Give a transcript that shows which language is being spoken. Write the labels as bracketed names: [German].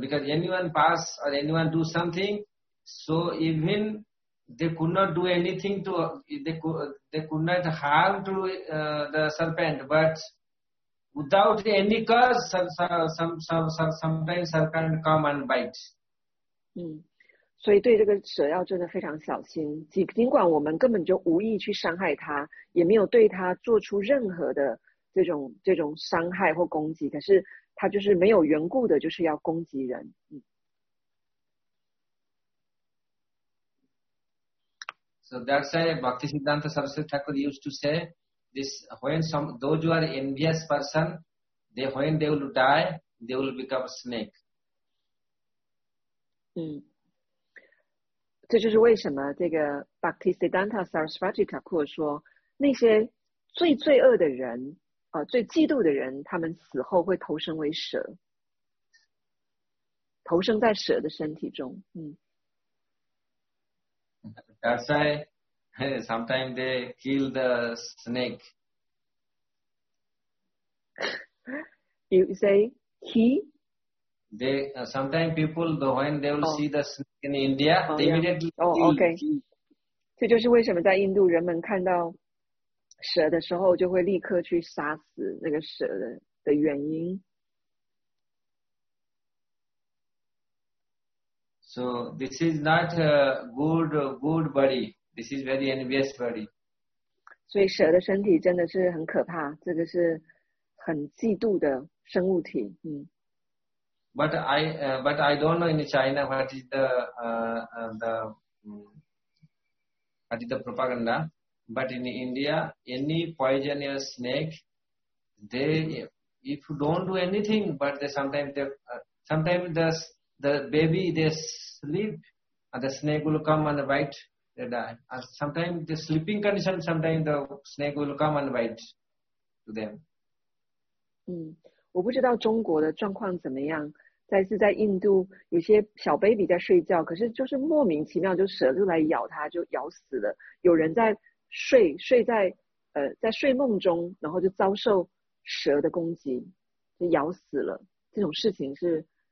[English] Because anyone pass or anyone do something, so even they could not do anything to, they could not harm to the serpent. But without any cause, sometimes serpent come and bite. [Chinese] 所以对这个蛇要真的非常小心，尽管我们根本就无意去伤害它，也没有对它做出任何的这种伤害或攻击，可是它就是没有缘故的，就是要攻击人。 [English] So that's why Bhaktisiddhanta Saraswati Thakur used to say this: when those who are envious person, when they will die, they will become a snake. [Chinese] 这就是为什么这个 Bhaktisiddhanta Saraswati Thakur 说，那些最罪恶的人，最嫉妒的人，他们死后会投生为蛇，投生在蛇的身体中。 [English] That's why sometimes they kill the snake. You say he? They sometimes people the when they will see the snake in India, they immediately kill. Okay. [Chinese] 这就是为什么在印度人们看到蛇的时候，就会立刻去杀死那个蛇的原因。 [English] So this is not a good body. This is very envious body. [Chinese] 所以蛇的身体真的是很可怕，这个是很嫉妒的生物体。 [English] But I don't know in China what is the propaganda. But in India, any poisonous snake, if you don't do anything, but sometimes the baby they sleep, and the snake will come and bite. They die. And sometimes the sleeping condition, sometimes the snake will come and bite to them. [Chinese] 我不知道中国的状况怎么样。再次在印度，有些小 baby 在睡觉，可是就是莫名其妙就蛇就来咬它，就咬死了。有人在睡在睡梦中，然后就遭受蛇的攻击，就咬死了。这种事情是